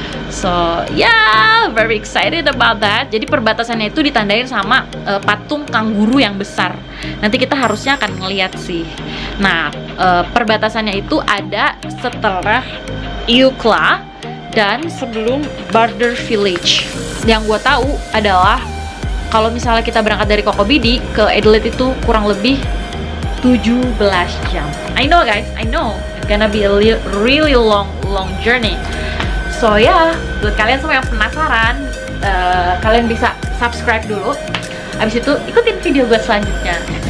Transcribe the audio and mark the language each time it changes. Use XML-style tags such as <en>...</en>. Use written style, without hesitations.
<en>So yeah, very excited about that.</en> <id>Jadi perbatasannya itu ditandain sama patung kanguru yang besar. Nanti kita harusnya akan ngeliat sih. Nah, perbatasannya itu ada setelah Eucla dan sebelum Border Village. Yang gue tahu adalah kalau misalnya kita berangkat dari Kokobidi ke Adelaide itu kurang lebih 17 jam.</id> <en>I know guys, I know. It's gonna be a really long journey.</en> <id>So yeah, buat kalian semua yang penasaran, kalian bisa subscribe dulu. Abis itu ikutin video gue selanjutnya.</id>